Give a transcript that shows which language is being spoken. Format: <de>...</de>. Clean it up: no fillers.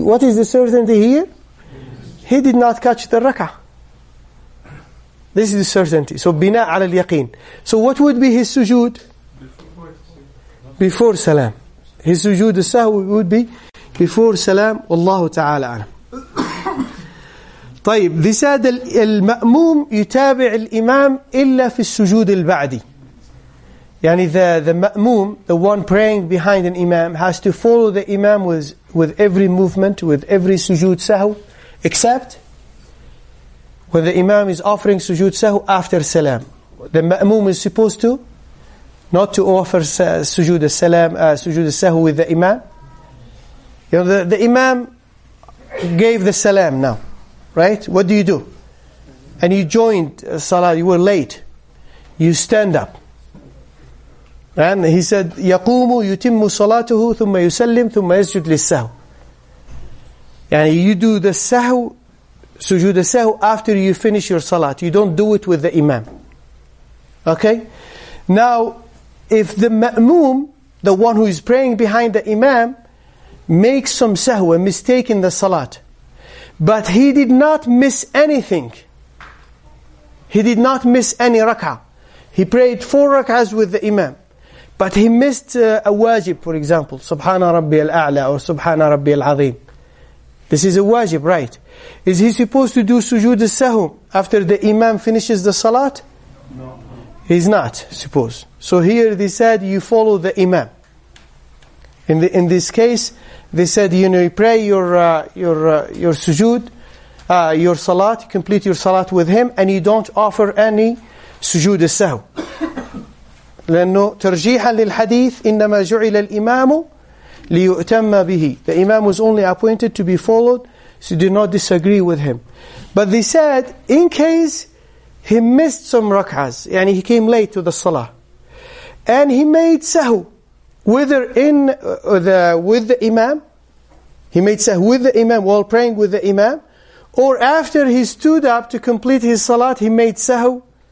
<en>What is the certainty here? He did not catch the rak'ah. This is the certainty. So bina ala al-yaqeen. So what would be his sujood? Before salam. His sujood sahw would be before salam. Allahu ta'ala alam.</en> <ar>طيب</ar> <en>they said</en> <ar>المأموم يتابع الإمام إلا في السجود البعدي.</ar> <en>يعني the مأموم, the one praying behind an imam, has to follow the imam with every movement, with every sujood sahw, except when the imam is offering sujood sahw after salam. The مأموم is supposed to not to offer sujood salam, sujood sahw with the imam. You know, the imam gave the salam now, right? What do you do? And you joined salah, you were late. You stand up. And he said,</en> <ar>يَقُومُ يُتِمُّ صَلَاتُهُ ثُمَّ يُسَلِّمُ ثُمَّ يَسْجُدْ لِلسَّهُ.</ar> <en>And you do the sahw, sujood sahw, after you finish your salat. You don't do it with the imam. Okay? Now, if the ma'moom, the one who is praying behind the imam, makes some sahw, a mistake in the salat, but he did not miss anything, he did not miss any rak'ah, he prayed four rak'ahs with the imam, but he missed a wajib, for example, Subhana Rabbi al-A'la or Subhana Rabbi al-Azim. This is a wajib, right? Is he supposed to do sujood sahw after the imam finishes the salat? He's not supposed. So here they said you follow the imam. In this case, they said you know, you pray your sujood, your salat, complete your salat with him, and you don't offer any sujood sahw.</en> <ar>لأنه ترجيحا للحديث إنما جعل الإمام ليؤتم به.</ar> <en>The imam was only appointed to be followed, so you do not disagree with him. But they said in case he missed some rak'ahs, yani he came late to the salah, and he made sahw, whether in the with the imam, he made sahw with the imam while praying with the imam, or after he stood up to complete his salat, he made sahw</en>